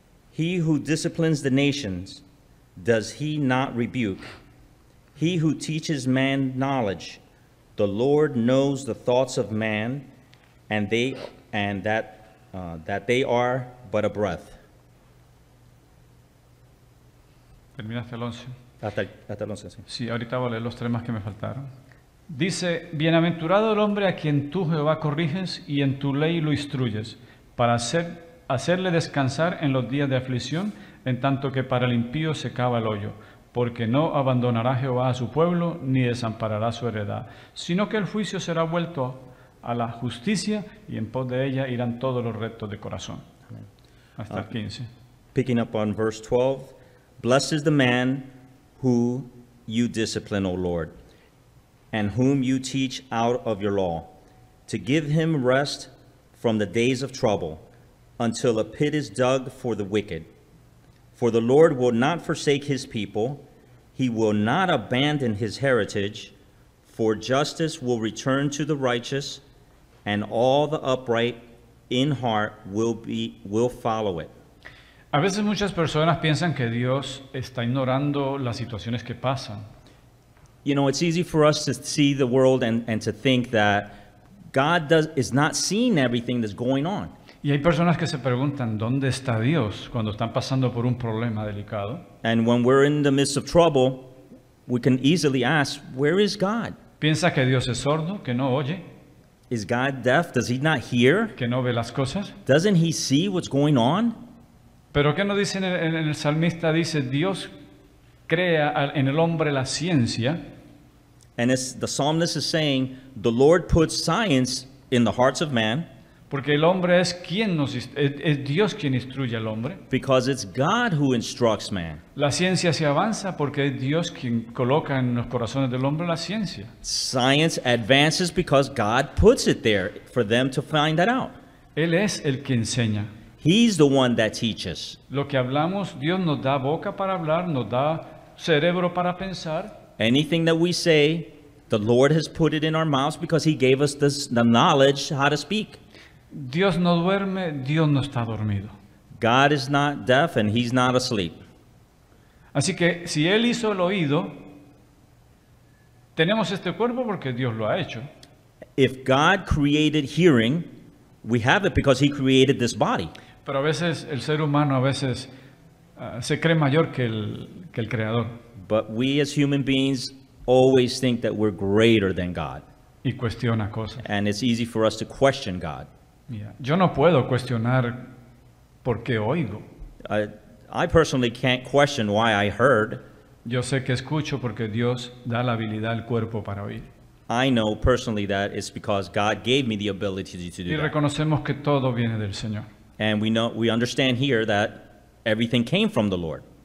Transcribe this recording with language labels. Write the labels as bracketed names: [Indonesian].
[English] He who disciplines the nations, does he not rebuke? He who teaches man knowledge, the Lord knows the thoughts of man, and that they are but a breath. [Spanish] Terminaste el 11. Hasta el 11, sí. Sí, ahorita voy a leer los tres más que me faltaron. Dice, bienaventurado el hombre a quien tú, Jehová, corriges y en tu ley lo instruyes, para hacerle descansar en los días de aflicción, en tanto que para el impío se cava el hoyo, porque no abandonará Jehová a su pueblo, ni desamparará su heredad, sino que el juicio será vuelto a la justicia, y en pos de ella irán todos los rectos de corazón. Hasta el 15. [English] Picking up on verse 12, blessed is the man who you discipline, O Lord, and whom you teach out of your law, to give him rest from the days of trouble, until a pit is dug for the wicked. For the Lord will not forsake his people, he will not abandon his heritage, for justice will return to the righteous, and all the upright in heart will follow it. [Spanish] A veces muchas personas piensan que Dios está ignorando las situaciones que pasan. [English] You know, it's easy for us to see the world and to think that God is not seeing everything that's going on. [Spanish] Y hay personas que se preguntan, ¿dónde está Dios cuando están pasando por un problema delicado? [English] And when we're in the midst of trouble, we can easily ask, where is God? [Spanish] ¿Piensa que Dios es sordo, que no oye? [English] Is God deaf? Does he not hear? [Spanish] ¿Que no ve las cosas? [English] Doesn't he see what's going on? [Spanish] Pero ¿qué nos dice en el salmista? Dice, Dios crea en el hombre la ciencia. [English] And as the psalmist is saying, the Lord puts science in the hearts of man. [Spanish] Porque el hombre es quien nos es Dios quien instruye al hombre. [English] Because it's God who instructs man. [Spanish] La ciencia se avanza porque es Dios quien coloca en los corazones del hombre la ciencia. [English] Science advances because God puts it there for them to find that out. [Spanish] Él es el que enseña. [English] He's the one that teaches. [Spanish] Lo que hablamos, Dios nos da boca para hablar, nos da cerebro para pensar. [English] Anything that we say, the Lord has put it in our mouths because he gave us the knowledge how to speak. [Spanish] Dios no duerme, Dios no está dormido. [English] God is not deaf and he's not asleep. [Spanish] Así que si él hizo el oído, tenemos este cuerpo porque Dios lo ha hecho. [English] If God created hearing, we have it because he created this body. [Spanish] Pero a veces el ser humano a veces se cree mayor que el creador. [English] But we as human beings always think that we're greater than God. [Spanish] Y cuestiona cosas. [English] And it's easy for us to question God. [Spanish] Yeah. Yo no puedo cuestionar por qué oigo. [English] I personally can't question why I heard. [Spanish] Yo sé que escucho porque Dios da la habilidad al cuerpo para oír. [English] I know personally that it's because God gave me the ability to do [Spanish] that. Y reconocemos que todo viene del Señor. [English] And we understand here that everything came from the Lord.